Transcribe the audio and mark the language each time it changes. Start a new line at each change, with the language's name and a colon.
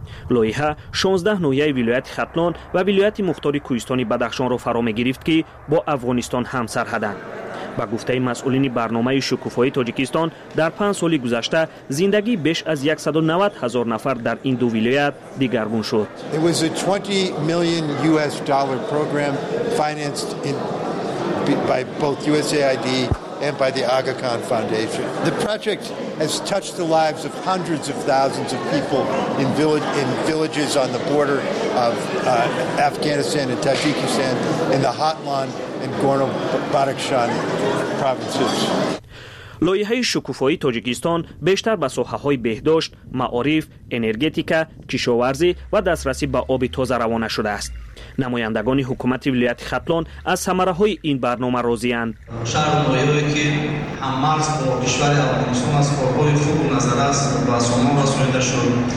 Persian: لایحه 16 نوعی ولایت ختلان و ولایت مختار کوهستان بدخشان را فرا می گرفت که با افغانستان هم سرحدند. با گفته مسئولین برنامه شکوفای تاجیکستان در 5 سال گذشته زندگی بیش از 190 هزار نفر در این دو ولایت دیگرگون شد.
English: It was a $20 million program financed by both USAID and by the Aga Khan Foundation. The project has touched the lives of hundreds of thousands of people in villages on the border of Afghanistan and Tajikistan in the Hatlan and Gorno-Badakhshan provinces.
Persian: لایحه شکوفایی تاجیکستان بیشتر به ساحه‌های بهداشت، معارف، انرژتیکا، کشاورزی و دسترسی به آب تازه روانه شده است. نمایندگان حکومت ولایت ختلان از ثمره‌های این برنامه راضی‌اند. شهر نوایی که هم مرز با کشور افغانستان است، پارک‌های خوب نظر است و سامان و سویده شد.